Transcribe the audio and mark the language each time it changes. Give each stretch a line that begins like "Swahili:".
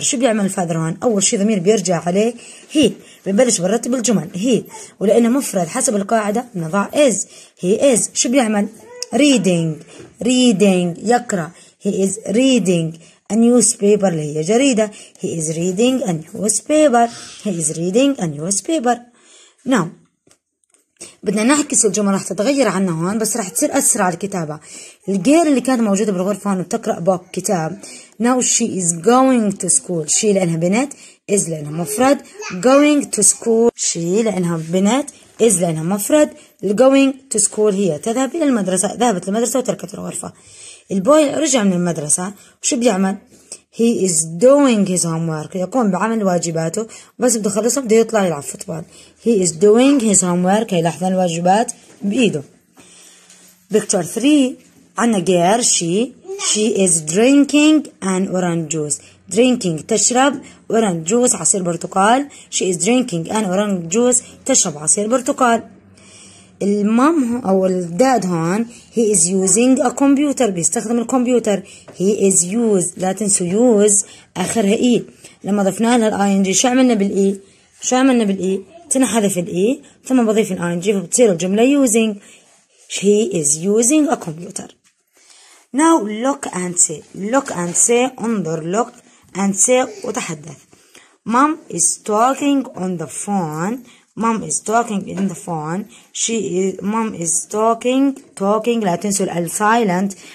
Arabic: شو بيعمل الفادر هون؟ أول شيء ضمير بيرجع عليه هي. بنبلش بنرتب الجمل. هي ولأنه مفرد حسب القاعدة نضع is. هي is. شو بيعمل؟ reading. reading يقرأ.
English: هي is reading a newspaper
Arabic: اللي هي جريدة.
English: هي is reading a newspaper. هي is reading a newspaper.
Arabic: نعم بدنا نعكس الجمل, راح تتغير عنا هون بس راح تصير اسرع الكتابه. الجير اللي كانت موجوده بالغرفه هون بتقرا بوك كتاب.
English: now she is going to school. she
Arabic: لانها بنت,
English: is
Arabic: لانها مفرد,
English: going to school.
Arabic: she لانها بنت, is لانها مفرد,
English: going to school
Arabic: هي تذهب الى المدرسه. ذهبت للمدرسه وتركت الغرفه. الboy رجع من المدرسه وشو بيعمل؟
English: he is doing his homework.
Arabic: يقوم بعمل واجباته بس بده يخلصها بده يطلع يلعب فوتبول.
English: he is doing his homework.
Arabic: هي لحظة الواجبات بإيده.
English: picture 3 عنا girl. she is drinking an orange juice. drinking تشرب, orange juice
Arabic: عصير برتقال.
English: she is drinking an orange juice,
Arabic: تشرب عصير برتقال. المام أو الداد هون
English: he is using a computer,
Arabic: بيستخدم الكمبيوتر.
English: he is use,
Arabic: لا تنسوا use آخرها إي. لما ضفنا لها الـ ing شو عملنا بالـ E؟ شو عملنا بالـ E؟ تنحذف الـ E ثم بضيف الـ ing فبتصير الجملة using.
English: he is using a computer. now look and say. look and say انظر, look and say وتحدث. mom is talking on the phone. mom is talking in the phone. mom is talking
Arabic: لا تنسوا
English: ال silent.